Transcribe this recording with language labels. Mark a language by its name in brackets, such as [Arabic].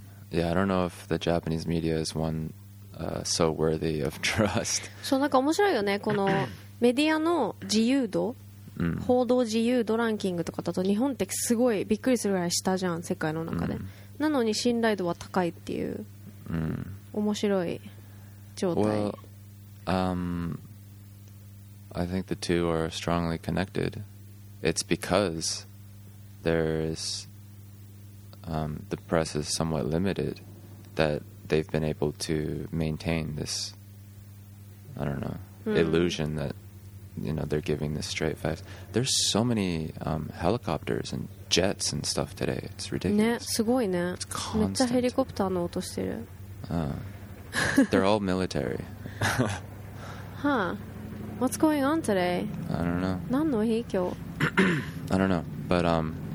[English] Yeah, I don't know if the Japanese media is one、so worthy of trust. [Japanese] そう、なんか面白いよね、このメディアの自由度、報道自由度ランキングとかだと日本ってすごいびっくりするぐらい下じゃん、世界の中で、うん、なのに信頼度は高いっていう、うん、面白い状態。 [English] Well, I think the two are strongly connected. It's because there's the press is somewhat limited that they've been able to maintain this, I don't know, illusion that you know, they're giving this straight face. There's so many helicopters and jets and stuff today. It's ridiculous. [Japanese] ね、すごいね。 [English] It's constant. [Japanese] めっちゃヘリコプターの音してる。 [English] They're all military. Huh. What's going on today? I don't know. [Japanese] 何の日今日? [English] I don't know. But,